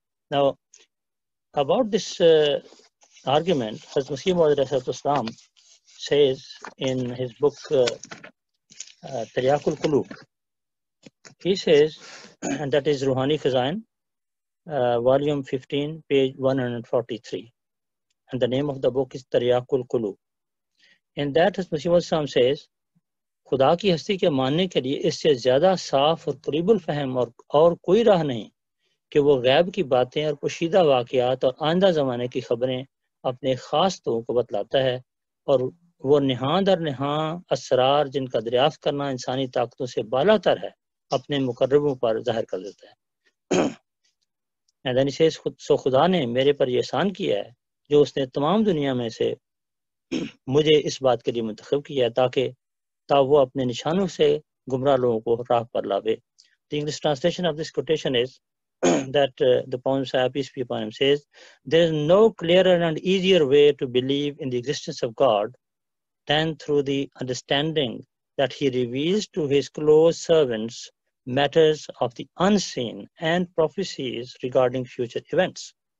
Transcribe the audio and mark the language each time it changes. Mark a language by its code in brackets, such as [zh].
[en] Now, about this argument, as Masih Maud Islam says in his book, Taryakul Kulub, he says, and that is Ruhani Khazain, volume 15, page 143. And the name of the book is Taryakul Kulub. In that, as Masih Maud Islam says, [ur] خدا کی ہستی کے ماننے کے لیے اس سے زیادہ صاف اور قریب الفہم اور کوئی راہ نہیں کہ وہ غیب کی باتیں اور پوشیدہ واقعات اور آئندہ زمانے کی خبریں اپنے خاص لوگوں کو بتلاتا ہے اور وہ نہاں در نہاں اسرار جن کا دریافت کرنا انسانی طاقتوں سے بالا تر ہے اپنے مقربوں پر ظاہر کر دیتا ہے یعنی سو خدا نے میرے پر یہ احسان کیا ہے جو اس نے تمام دنیا میں سے مجھے اس بات کے لیے منتخب کیا ہے تاکہ وہ اپنے نشانوں سے گمراہ لوگوں کو راہ پر لاوے. [en] The English translation of this quotation is that the poem Sahib, peace be upon him, says, there is no clearer and easier way to believe in the existence of God than through the understanding that he reveals to his close servants matters of the unseen and prophecies regarding future events.